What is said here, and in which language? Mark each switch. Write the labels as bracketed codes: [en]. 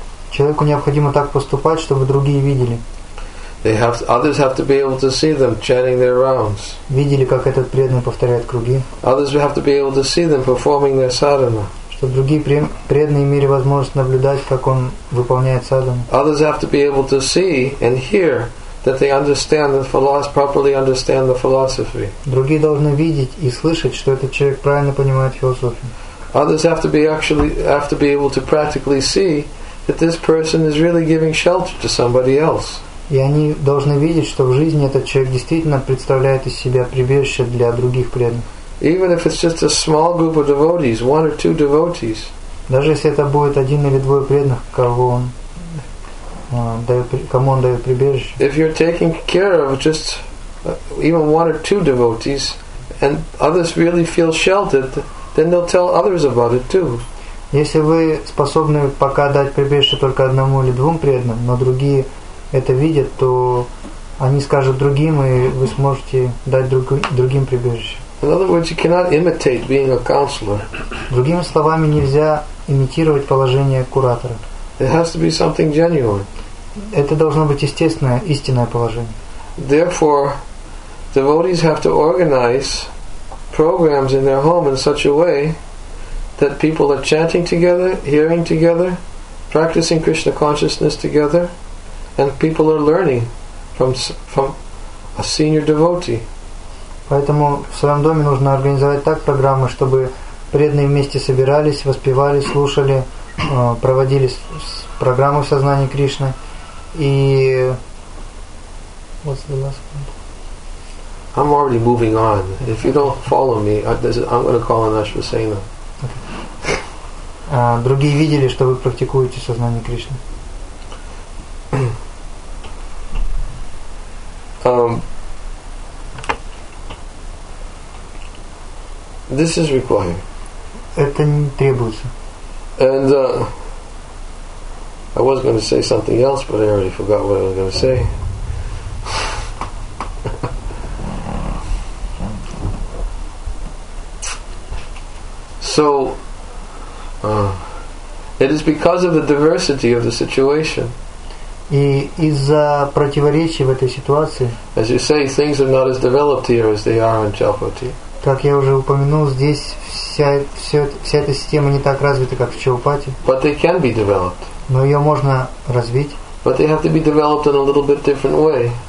[ru] Человеку необходимо так поступать, чтобы другие видели. [en] Others have to be able to see them chanting their rounds. [ru] Видели, как этот преданный повторяет круги. [en] Others have to be able to see them performing their sadhana. [ru] Чтобы другие преданные имели возможность наблюдать, как он выполняет садхану. [en] Others have to be able to see and hear that they understand properly understand the philosophy. [ru] Другие должны видеть и слышать, что этот человек правильно понимает философию. [en] Others have to be able to practically see that this person is really giving shelter to somebody else. [ru] И они должны видеть, что в жизни этот человек действительно представляет из себя прибежище для других преданных. [en] Even if it's just a small group of devotees, one or two devotees. [ru] Даже если это будет один или двое преданных, кому он дает прибежище. [en] If you're taking care of just even one or two devotees, and others really feel sheltered, then they'll tell others about it too. [ru] Если вы способны пока дать прибежище только одному или двум преданным, но другие это видят, то они скажут другим, и вы сможете дать другим прибежище. [en] In other words, you cannot imitate being a counselor. [ru] Другими словами, нельзя имитировать положение куратора. [en] It has to be something genuine. [ru] Это должно быть естественное, истинное положение. [en] Therefore, devotees have to organize programs in their home in such a way that people are chanting together, hearing together, practicing Krishna consciousness together, and people are learning from a senior devotee. [ru] Поэтому в своем доме нужно организовать так программы, чтобы преданные вместе собирались, воспевали, слушали, проводили программы в сознании Кришны. [en] И what's the last one? I'm already moving on. If you don't follow me, I'm going to call an Ashvasena. [ru] Другие видели, что вы практикуете сознание Кришны. [en] This is required. [ru] Это не требуется. [en] And I was going to say something else, but I already forgot what I was going to say. So it is because of the diversity of the situation. [ru] И из-за противоречий в этой ситуации. [en] As you say, things are not as developed here as they are in Chalpati. [ru] Как я уже упомянул, здесь вся эта система не так развита, как в Чхаупати. [en] But they can be developed. [ru] Но ее можно развить. [en] But they have to be developed in a little bit different way.